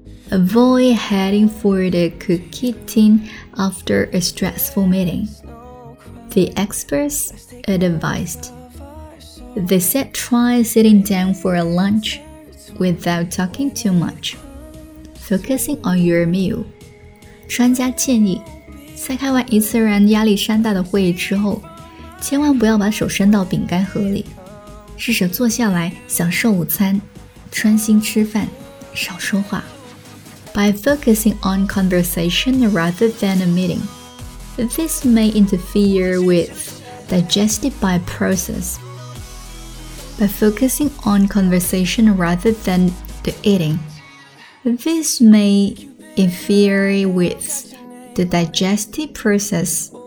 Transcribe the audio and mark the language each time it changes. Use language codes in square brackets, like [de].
[en] Avoid heading for the cookie tin after a stressful meeting. The experts advised. They said try sitting down for a lunch without talking too much, focusing on your meal. [zh] 专家建议，在开完一次让压力山大的会议之后，千万不要把手伸到饼干盒里，试着坐下来享受午餐，专心吃饭，少说话。 [en] By focusing on conversation rather than a meeting, this may interfere with digestive process. By focusing on conversation rather than the eating, this may interfere with the digestive process.